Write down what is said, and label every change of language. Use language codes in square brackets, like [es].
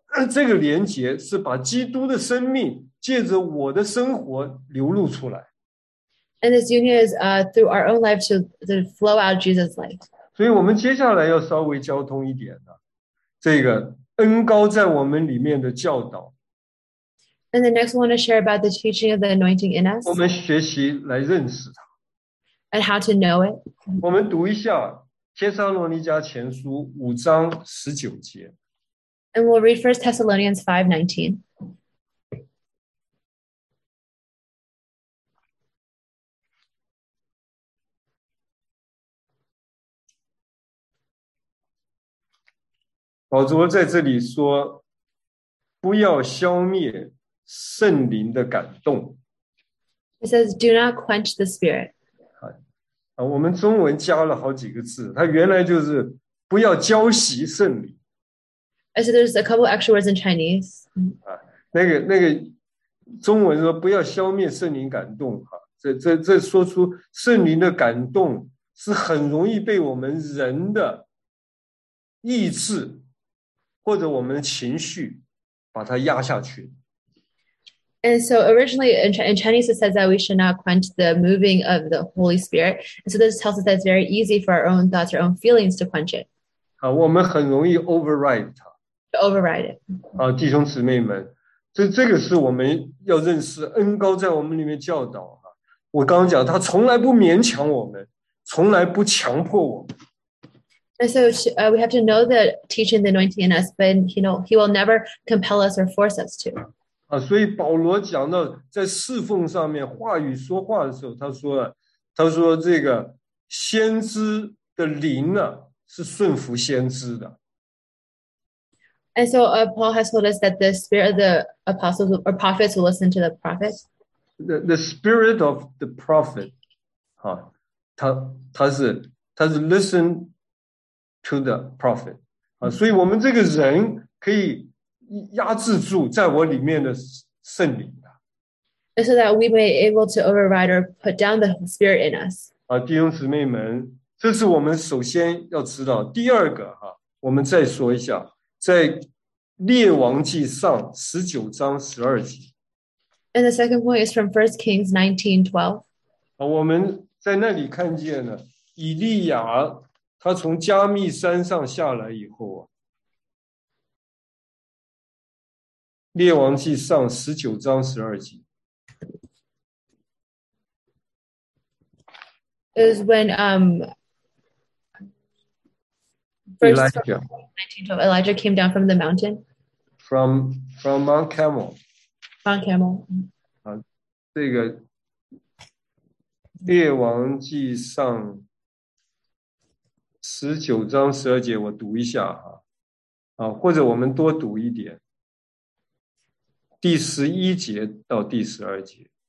[zh] 这个连结是把基督的生命借着我的生活流露出来。 [en] And this union is through our own life to flow out Jesus' life. [zh] 所以我们接下来要稍微交通一点的。这个恩膏在我们里面的教导。 [en] And the next one to share about the teaching of the anointing in us. [zh] 我们学习来认识它。 [en] And how to know it. [zh] 我们读一下《帖撒罗尼迦前书》五章十九节。 [en] And we'll read 1 Thessalonians 5:19. [zh] 保罗在这里说，不要消灭圣灵的感动。 [en] He says, do not quench the spirit. [zh] 我们中文加了好几个字，它原来就是不要浇熄圣灵。 [en] I said there's a couple extra words in Chinese. [zh] 那个中文说不要消灭圣灵感动，这说出圣灵的感动是很容易被我们人的意志或者我们的情绪把它压下去。 [en] And so originally in Chinese it says that we should not quench the moving of the Holy Spirit. And so this tells us that it's very easy for our own thoughts, our own feelings to quench it. [zh] 我们很容易 override 它。 [en] Override it. [zh] 弟兄姊妹们，这个是我们要认识恩膏在我们里面教导。我刚刚讲，他从来不勉强我们，从来不强迫我们。 [en] And so we have to know the teaching, the anointing in us, but you know, he will never compel us or force us to. [zh] 所以保罗讲到在侍奉上面话语说话的时候，他说这个先知的灵呢是顺服先知的。 [en] And so Paul has told us that the spirit of the apostles or prophets will listen to the prophets. The spirit of the prophet, [zh] 他是他是 [en] listen to the prophet [zh] 啊，所以我们这个人可以压制住在我里面的圣灵啊。 [en] So that we may able to override or put down the spirit in us. [zh] 啊，弟兄姊妹们，这是我们首先要知道。第二个哈，我们再说一下，在列王记上十九章十二节。 [en] And the second point is from 1 Kings 19:12. [zh] 我们在那里看见了以利亚他从加密山上下来以后啊。列王记上十九章十二节。 [en] It was when, Elijah came down from the mountain. From Mount Carmel. Mount Carmel. [zh] 这个列王记上十九章十二节，我读一下哈，啊，或者我们多读一点，第十一节到第十二节。